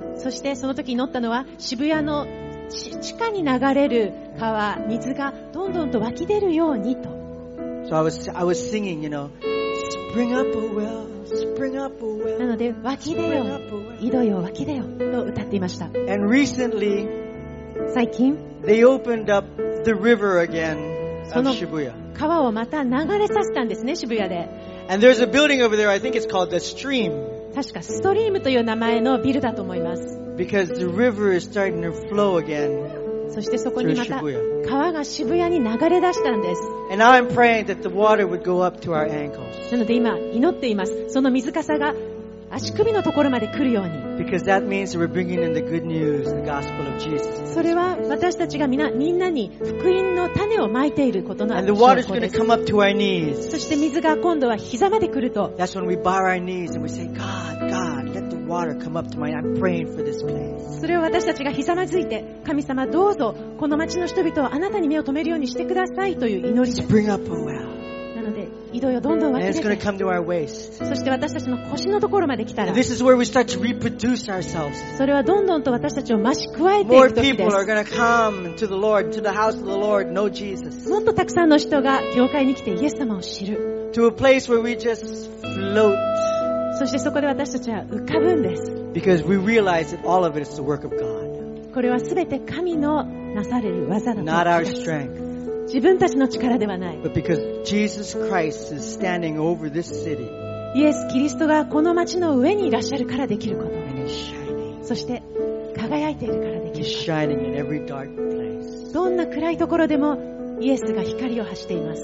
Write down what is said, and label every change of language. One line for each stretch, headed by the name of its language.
Japanese: そしてその時祈ったのは渋谷の地下に流れる川、水がどんどんと湧き出るようにと。
English: So I was singing, you know, spring up a well, spring up a well.
Japanese: なので、湧き出よ、井戸よ、湧き出よ、と歌っていました。
English: And recently,
Japanese: 最近、
English: they opened up the river again of Shibuya.
Japanese: その川をまた流れさせたんですね、渋谷で。
English: And there's a building over there, I think it's called the stream.
Japanese: 確か、ストリームという名前のビルだと思います。
English: Because the river is starting to flow again.
Japanese: そしてそこにまた川が渋谷に流れ出したんです。
English: And now I'm praying that the water would go up to our ankles.
Japanese: なので今祈っています。その水かさが足首のところまで来るように。
English: Because that means we're bringing in the good news, the gospel of Jesus.
Japanese: それは私たちがみんなに福音の種をまいていることの証拠です。
English: And the water is going to come up to our knees.
Japanese: そして水が今度は膝まで来ると。
English: That's when we bow our knees and we say, God, God. Water come up to my. I'm praying for this place.
Japanese: それを私たちがひざまずいて、神様どうぞこの町の人々をあなたに目を止めるようにしてくださいという祈り。
English: Spring up a well.
Japanese: なので井戸よどんどん湧き出て。
English: It's going to come to our waist.
Japanese: そして私たちの腰のところまで来たら。
English: This is where we start to reproduce ourselves.
Japanese: それはどんどんと私たちを増し加えていく時
English: です。More people are going to come to the Lord, to the house of the Lord, know Jesus.
Japanese: もっとたくさんの人が教会に来てイエス様を知る。
English: To a place where we just float.
Japanese: そしてそこで私たちは浮かぶんです。
English: Because we realize that all of it is the work of God.
Japanese: これはすべて神のなされる技だと。
English: Not our strength.
Japanese: 自分たちの力ではない。
English: But because Jesus Christ is standing over this city.
Japanese: イエス・キリストがこの町の上にいらっしゃるからできること。
English: And he's shining.
Japanese: そして輝いているからできること。
English: He's shining in every dark place.
Japanese: どんな暗いところでもイエスが光を発しています。